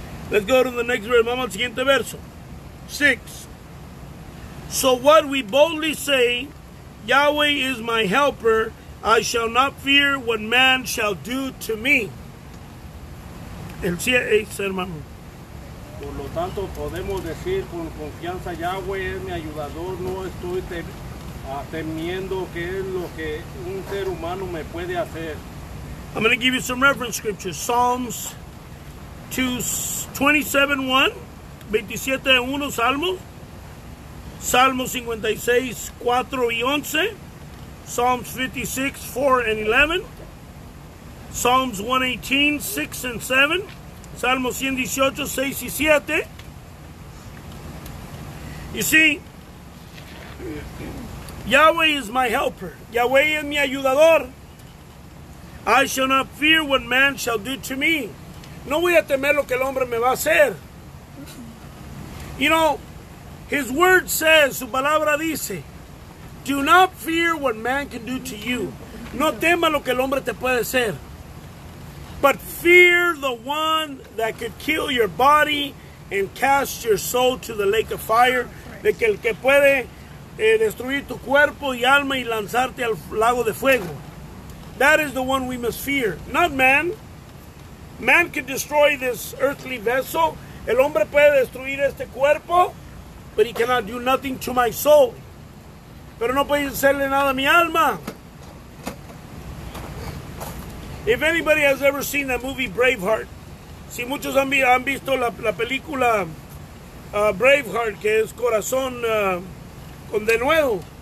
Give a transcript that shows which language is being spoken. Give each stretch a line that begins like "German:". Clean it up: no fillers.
English: Let's go to the next verse.
Spanish: Vamos al siguiente verso.
English: 6. So what we boldly say, Yahweh is my helper, I shall not fear what man shall do to me.
Spanish: El 7, hermano. Por lo tanto, podemos decir con confianza, Yahweh es mi ayudador, no estoy temiendo qué es lo que un ser humano me puede hacer.
English: I'm going to give you some reference scriptures. Psalms 27:1, Salmos.
Spanish: Salmo 56, 4 y 11.
English: Psalms 56, 4 and 11. Psalms 118, 6 and 7.
Spanish: Salmo 118, 6 y 7.
English: You see, Yahweh is my helper.
Spanish: Yahweh es mi ayudador.
English: I shall not fear what man shall do to me.
Spanish: No voy a temer lo que el hombre me va a hacer.
English: You know, His word says,
Spanish: su palabra dice,
English: do not fear what man can do to you.
Spanish: No tema lo que el hombre te puede hacer.
English: But fear the one that could kill your body and cast your soul to the lake of fire.
Spanish: De que el que puede destruir tu cuerpo y alma y lanzarte al lago de fuego.
English: That is the one we must fear. Not man. Man can destroy this earthly vessel.
Spanish: El hombre puede destruir este cuerpo.
English: But he cannot do nothing to my soul.
Spanish: Pero no puede hacerle nada a mi alma.
English: If anybody has ever seen that movie Braveheart.
Spanish: Si muchos han visto la película Braveheart, que es Corazón con Denuedo.